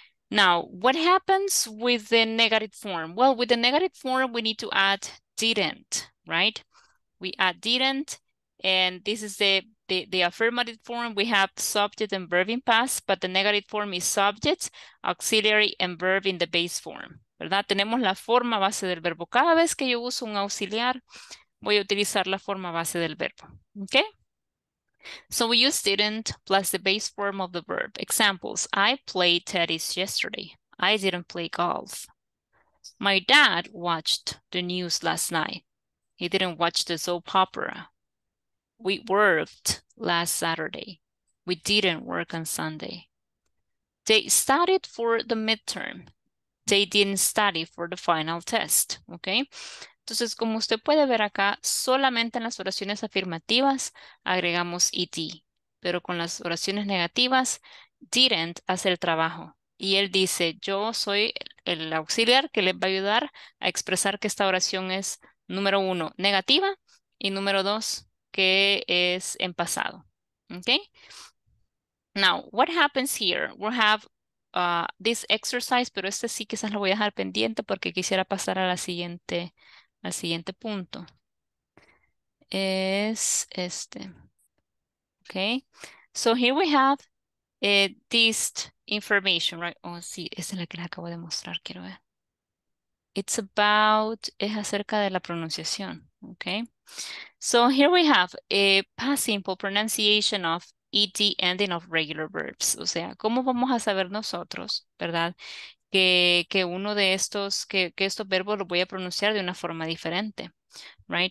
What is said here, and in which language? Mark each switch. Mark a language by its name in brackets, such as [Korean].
[English] Now, what happens with the negative form? Well, with the negative form, we need to add didn't, right? We add didn't, and this is the affirmative form. We have subject and verb in past, but the negative form is subject, auxiliary, and verb in the base form. [Spanish] ¿Verdad? Tenemos la forma base del verbo. Cada vez que yo uso un auxiliar, voy a utilizar la forma base del verbo. [English] Okay? So we use didn't plus the base form of the verb. Examples. I played tennis yesterday. I didn't play golf. My dad watched the news last night. He didn't watch the soap opera. We worked last Saturday. We didn't work on Sunday. They studied for the midterm. They didn't study for the final test. Okay. [Spanish] Entonces, como usted puede ver acá, solamente en las oraciones afirmativas agregamos ed. Pero con las oraciones negativas, didn't hace el trabajo. Y él dice, yo soy el auxiliar que les va a ayudar a expresar que esta oración es, número uno, negativa, y número dos, que es en pasado. [English] Okay? Now, what happens here? We have this exercise, [Spanish] pero este sí quizás lo voy a dejar pendiente porque quisiera pasar a la siguiente, al siguiente punto. Es este. [English] Okay, so here we have this information, right? [Spanish] Oh, sí, esa es la que les acabo de mostrar, quiero ver. [English] It's about, [Spanish] es acerca de la pronunciación, okay? [English] So here we have a past simple pronunciation of ed ending of regular verbs. [Spanish] O sea, ¿cómo vamos a saber nosotros, verdad? Que uno de estos, que estos verbos los voy a pronunciar de una forma diferente, right?